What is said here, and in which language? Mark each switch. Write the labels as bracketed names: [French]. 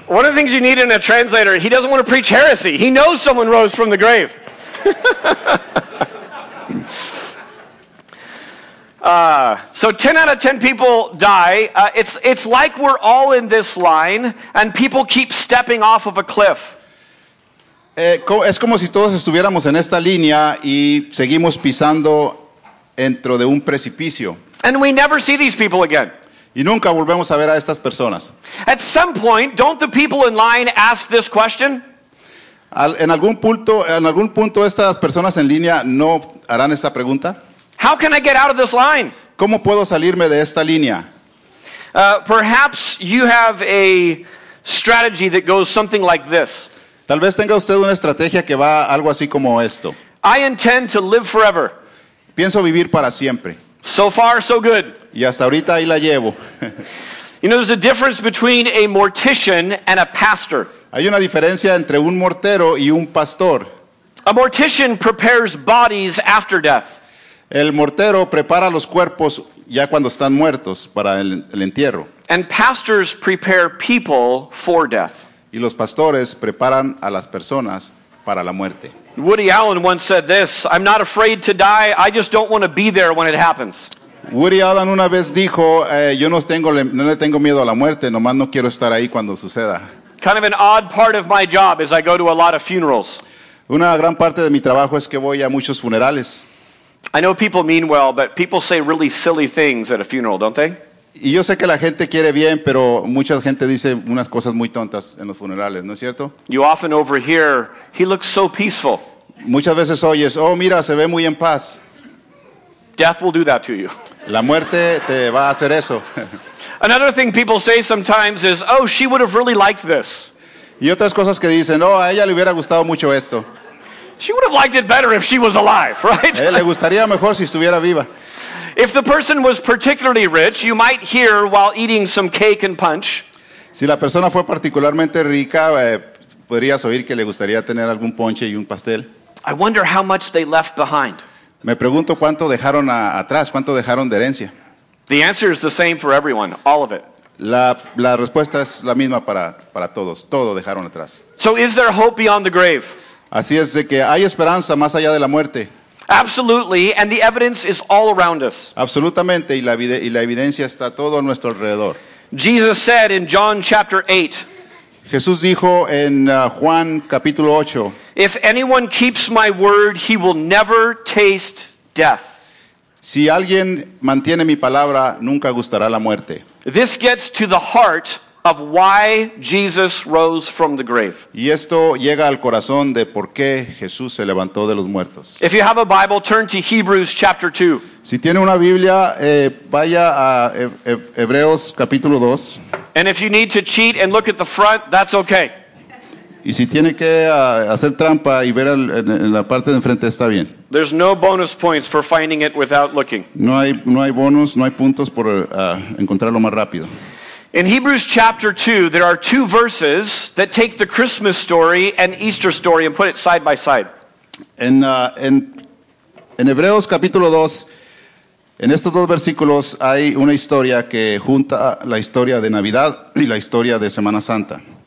[English] One of the things you need in a translator, he doesn't want to preach heresy. He knows someone rose from the grave. So 10 out of 10 people die. It's like we're all in this line and people keep stepping off of a cliff. [Spanish] Es como si todos estuviéramos en esta línea y seguimos pisando dentro de un precipicio. [English] And we never see these people again. [Spanish] Y nunca volvemos a ver a estas personas. [English] At some point, don't the people in line ask this question? [Spanish] En algún punto estas personas en línea no harán esta pregunta. [English] How can I get out of this line? [Spanish] ¿Cómo puedo salirme de esta línea? [English] Perhaps you have a strategy that goes something like this. [Spanish] Tal vez tenga usted una estrategia que va algo así como esto. [English] I intend to live forever. [Spanish] Pienso vivir para siempre. [English] So far, so good. [Spanish] Y hasta ahorita ahí la llevo. [English] You know, there's a difference between a mortician and a pastor. [Spanish] Hay una diferencia entre un mortero y un pastor. [English] A mortician prepares bodies after death. [Spanish] El mortero prepara los cuerpos ya cuando están muertos para el entierro. [English] And pastors prepare people for death. [Spanish] Y los pastores preparan a las personas para la muerte. [English] Woody Allen once said this, "I'm not afraid to die, I just don't want to be there when it happens." [Spanish] Woody Allen una vez dijo, "Yo no le tengo miedo a la muerte, nomás no quiero estar ahí cuando suceda." [English] Kind of an odd part of my job is I go to a lot of funerals. [Spanish] Una gran parte de mi trabajo es que voy a muchos funerales. [English] I know people mean well, but people say really silly things at a funeral, don't they? [Spanish] Y yo sé que la gente quiere bien, pero mucha gente dice unas cosas muy tontas en los funerales, ¿no es cierto? [English] You often overhear, "He looks so peaceful." [Spanish] Muchas veces oyes, "Oh, mira, se ve muy en paz." [English] Death will do that to you. [Spanish] La muerte te va a hacer eso. [English] Another thing people say sometimes is, "Oh, she would have really liked this." [Spanish] Y otras cosas que dicen, "Oh, a ella le hubiera gustado mucho esto." [English] She would have liked it better if she was alive, right? [Spanish] Le gustaría mejor si estuviera viva. [English] If the person was particularly rich, you might hear while eating some cake and punch. [Spanish] Si la persona fue particularmente rica, podrías oír que le gustaría tener algún ponche y un pastel. [English] I wonder how much they left behind. [Spanish] Me pregunto cuánto dejaron atrás, cuánto dejaron de herencia. [English] The answer is the same for everyone, all of it. [Spanish] La respuesta es la misma para todos, todo dejaron atrás. [English] So is there hope beyond the grave? [Spanish] Así es de que hay esperanza más allá de la muerte. [English] Absolutely, and the evidence is all around us. [Spanish] Absolutamente, y la evidencia está todo a nuestro alrededor. [English] Jesus said in John chapter 8. [Spanish] Jesús dijo en Juan capítulo 8. [English] If anyone keeps my word, he will never taste death. [Spanish] Si alguien mantiene mi palabra, nunca gustará la muerte. [English] This gets to the heart of why Jesus rose from the grave. [Spanish] Y esto llega al corazón de por qué Jesús se levantó de los muertos. [English] If you have a Bible, turn to Hebrews chapter 2. [Spanish] Si tiene una Biblia, vaya a Hebreos capítulo 2. [English] And if you need to cheat and look at the front, that's okay. [Spanish] Y si tiene que hacer trampa y ver en la parte de enfrente, está bien. [English] There's no bonus points for finding it without looking. [Spanish] No hay bonus, no hay puntos por encontrarlo más rápido. [English] In Hebrews chapter 2, there are two verses that take the Christmas story and Easter story and put it side by side. [Spanish] En Hebreos capítulo 2, en estos dos versículos hay una historia que junta la historia de Navidad y la historia de Semana Santa.